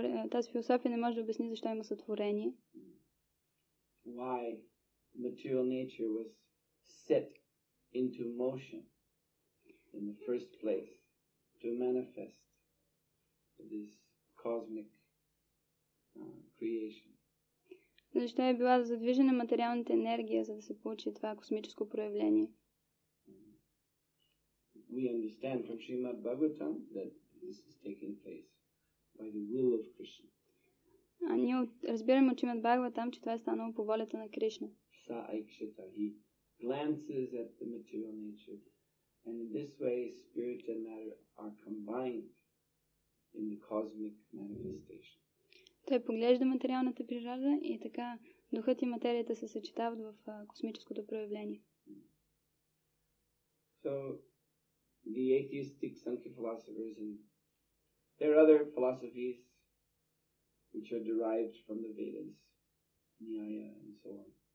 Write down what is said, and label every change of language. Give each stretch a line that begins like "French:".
Bulgarian: Тази философия не може да обясни защо има сътворение.
English: Why material nature was set into motion in the first place to manifest this cosmic creation.
Bulgarian: Защо е била задвижена материалната енергия, за да се получи това космическо проявление?
English: We understand from Srimad Bhagavatam that this is taking place by the will of Krishna.
Bulgarian: А ние разбираме от Шримад Бхагава там, че това е станало по волята на Кришна.
Sanskrit: Са айкшита.
English: He glances at the material nature. And in this way, spirit and matter are combined in the cosmic manifestation.
Bulgarian: Той поглежда материалната природа и така духът и материята се съчетават в космическото проявление.
English: So, the atheistic Sankhya philosophers and there are other philosophies which are derived from the Vedas, Nyaya and so on.